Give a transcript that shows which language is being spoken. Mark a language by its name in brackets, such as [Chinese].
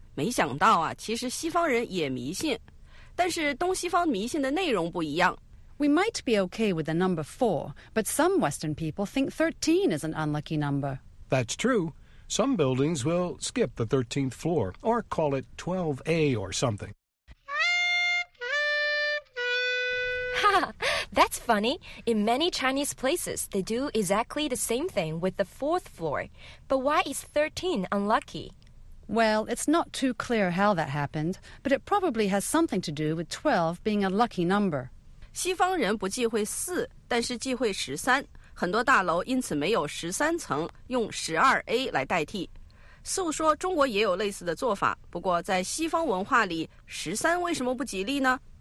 [Chinese] 没想到啊，其实西方人也迷信，但是东西方迷信的内容不一样。 [English] We might be okay with the number 4, but some Western people think 13 is an unlucky number. That's true. Some buildings will skip the 13th floor, or call it 12A or something. That's funny. In many Chinese places, they do exactly the same thing with the 4th floor. But why is 13 unlucky? Well, it's not too clear how that happened, but it probably has something to do with 12 being a lucky number. [Chinese] 西方人不忌讳四，但是忌讳十三。很多大楼因此没有十三层，用十二 A 来代替。 Sue说中国也有类似的做法，不过在西方文化里，十三为什么不吉利呢？